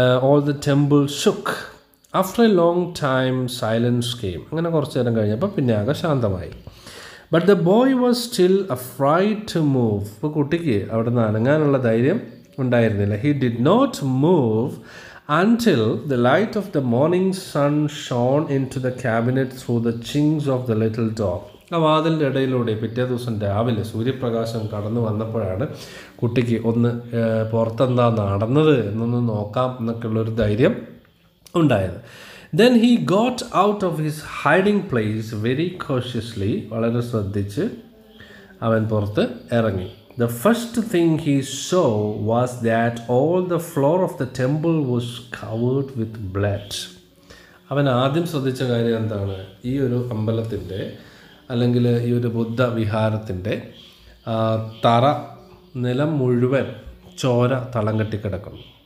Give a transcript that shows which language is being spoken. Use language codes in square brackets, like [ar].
[en] All the temple shook after a long time silence came. [ml] അങ്ങനെ കുറച്ച് നേരം കഴിഞ്ഞപ്പോൾ പിന്നെ ആകെ ശാന്തമായി. [en] But the boy was still afraid to move. [ml] ഇപ്പോൾ കുട്ടിക്ക് അവിടെ നിന്ന് അനങ്ങാനുള്ള ധൈര്യം ഉണ്ടായിരുന്നില്ല. [en] He did not move until the light of the morning sun shone into the cabinet through the chinks of the little door. [ml] ആ വാതിലിൻ്റെ ഇടയിലൂടെ പിറ്റേ ദിവസം രാവിലെ സൂര്യപ്രകാശം കടന്നു വന്നപ്പോഴാണ് കുട്ടിക്ക് ഒന്ന് പുറത്തെന്താ നടന്നത് എന്നൊന്ന് നോക്കാം എന്നൊക്കെയുള്ളൊരു ധൈര്യം ഉണ്ടായത്. [en] Then he got out of his hiding place very cautiously. [ml] വളരെ ശ്രദ്ധിച്ച് അവൻ പുറത്ത് ഇറങ്ങി. [en] The first thing he saw was that all the floor of the temple was covered with blood. [ml] അവൻ ആദ്യം ശ്രദ്ധിച്ച കാര്യം എന്താണ്? ഈ ഒരു അമ്പലത്തിൻ്റെ അല്ലെങ്കിൽ ഈ ഒരു ബുദ്ധ വിഹാരത്തിൻ്റെ തറ നിലം മുഴുവൻ ചോര തളം കെട്ടിക്കിടക്കുന്നു.